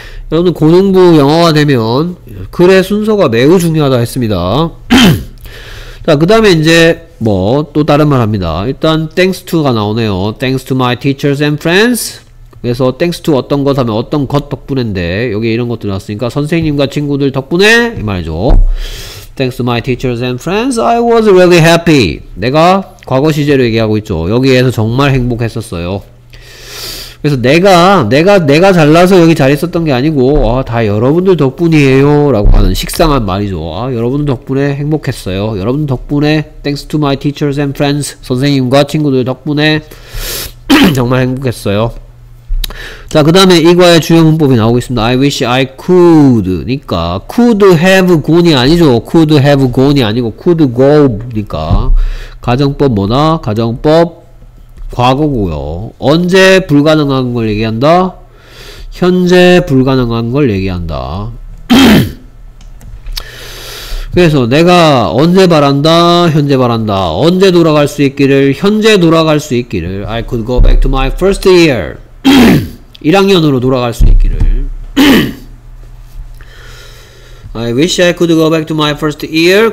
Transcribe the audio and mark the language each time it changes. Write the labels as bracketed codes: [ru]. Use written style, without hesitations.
[ko] 여러분 고등부 영어가 되면 글의 순서가 매우 중요하다 했습니다. 자 그 다음에 이제 뭐 또 다른 말 합니다. 일단 thanks to가 나오네요. [en] thanks to my teachers and friends. [ko] 그래서 thanks to 어떤 것 하면 어떤 것 덕분인데 여기에 이런 것들 나왔으니까 선생님과 친구들 덕분에 이 말이죠. [en] thanks to my teachers and friends I was really happy. [ko] 내가 과거 시제로 얘기하고 있죠. 여기에서 정말 행복했었어요. 그래서 내가 잘나서 여기 잘 있었던 게 아니고 아, 다 여러분들 덕분이에요 라고 하는 식상한 말이죠. 아, 여러분 덕분에 행복했어요. 여러분 덕분에 [en] thanks to my teachers and friends [ko] 선생님과 친구들 덕분에 정말 행복했어요. 자 그 다음에 이과의 주요 문법이 나오고 있습니다. [en] I wish I could [ko] 니까 could have gone이 아니죠. could have gone이 아니고 could go 니까 가정법 뭐나 가정법 과거고요. 언제 불가능한 걸 얘기한다? 현재 불가능한 걸 얘기한다. 그래서 내가 언제 바란다? 현재 바란다. 언제 돌아갈 수 있기를? 현재 돌아갈 수 있기를. [en] I could go back to my first year. [ko] 1학년으로 돌아갈 수 있기를. [en] I wish I could go back to my first year.